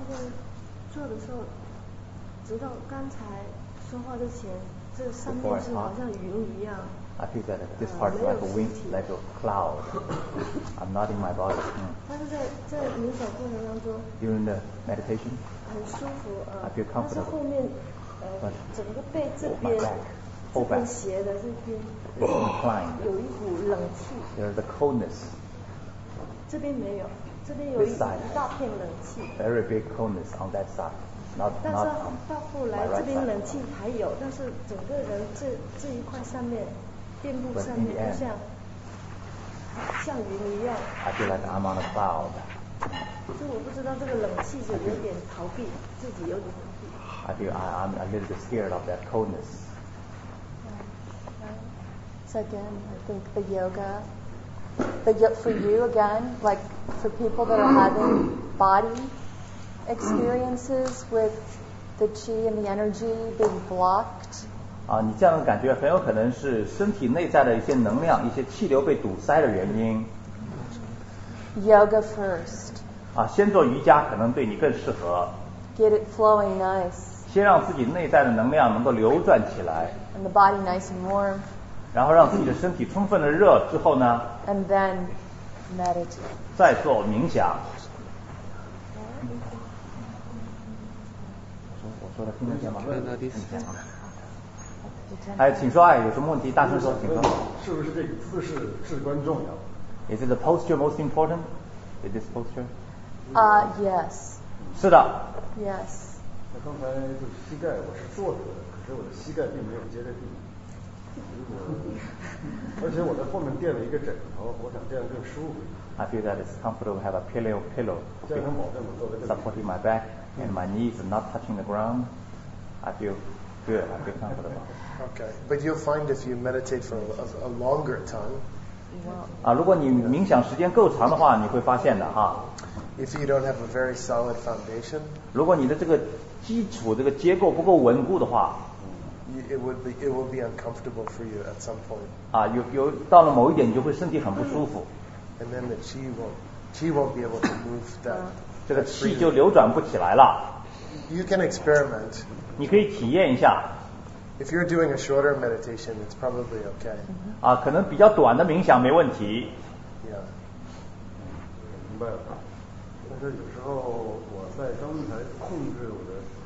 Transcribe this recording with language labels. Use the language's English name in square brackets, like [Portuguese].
[Chinese] 那个做的时候，直到刚才说话之前，这三面是好像云一样。 [English] I feel that this part is like a wind, like a cloud. I'm not in my body. [Chinese] 但是在冥想过程当中 [English] ，during the meditation， [Chinese] 很舒服啊。 [English] I feel comfortable. [Chinese] 但是后面整个背这边。后边斜的这边 [English] inclined, [Chinese] 有一股冷气 [English] there's a coldness [Chinese] 这边没有这边有 一大片冷气 [English] very big coldness on that side not, [Chinese] 但是到后来这边冷气还有但是整个人 这一块上面垫布上面就像云一样 [English] I feel like I'm on a cloud [Chinese] 就我不知道这个冷气就有点逃避自己有点逃避 [English] I'm a little bit scared of that coldness So again, I think the yoga, the, for you again, like for people that are having body experiences with the qi and the energy being blocked. [Chinese] 啊，你这样的感觉很有可能是身体内在的一些能量、一些气流被堵塞的原因。 [English] Yoga first. [Chinese] 啊，先做瑜伽可能对你更适合。 [English] Get it flowing nice. [Chinese] 先让自己内在的能量能够流转起来。 [English] And the body nice and warm. [Chinese] 然后让自己的身体充分的热之后呢 [English] And then meditate [Chinese] 再做冥想我说的听得见吗问他第四天吗哎请说哎有什么问题大声说请说是不是这个姿势至关重要 [English] Is it the posture most important? Is this posture? Yes [Chinese] 是的 [English] Yes [Chinese] 那刚才就膝盖我是坐着的可是我的膝盖并没有接着地而且我在后面垫了一个枕头我想垫得更舒服 [English] I feel that it's comfortable to have a pillow [Chinese] 这样能保证我坐在这里 [English] supporting my back and my knees are not touching the ground I feel comfortable okay but you'll find if you meditate for a longer time [Chinese] well, 如果你冥想时间够长的话你会发现的哈 [English] if you don't have a very solid foundation [Chinese] 如果你的这个基础这个结构不够稳固的话 [English] It will be uncomfortable for you at some point. [Chinese] 啊，有到了某一点，你就会身体很不舒服。 [English] And then the qi won't be able to move that. [Chinese] 这个气就流转不起来了。 [English] You can experiment. [Chinese] 你可以体验一下。 [English] If you're doing a shorter meditation, it's probably okay. [Chinese] 啊，可能比较短的冥想没问题。 [English] Yeah. [Chinese] 明白了。但是有时候我在刚才控制我的。